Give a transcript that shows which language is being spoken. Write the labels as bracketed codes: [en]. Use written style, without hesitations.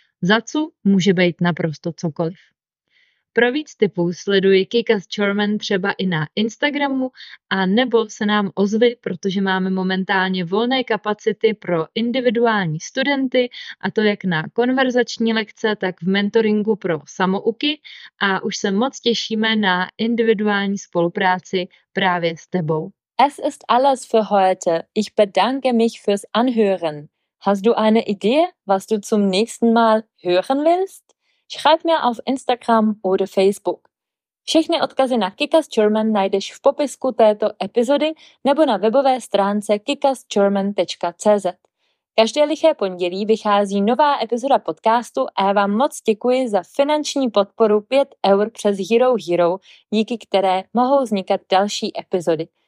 [cs] Za co může být naprosto cokoliv. Pro víc tipů sleduji Kikas German třeba i na Instagramu a nebo se nám ozvi, protože máme momentálně volné kapacity pro individuální studenty a to jak na konverzační lekce, tak v mentoringu pro samouky a už se moc těšíme na individuální spolupráci právě s tebou. [de] Es ist alles für heute. Ich bedanke mich fürs Anhören. Hast du eine Idee, was du zum nächsten Mal hören willst? Schreib mir auf Instagram oder Facebook. [cs] Všechny odkazy na Kikas German najdeš v popisku této epizody nebo na webové stránce kikasgerman.cz. Každé liché pondělí vychází nová epizoda podcastu a já vám moc děkuji za finanční podporu 5 eur přes Hero Hero, díky které mohou vznikat další epizody.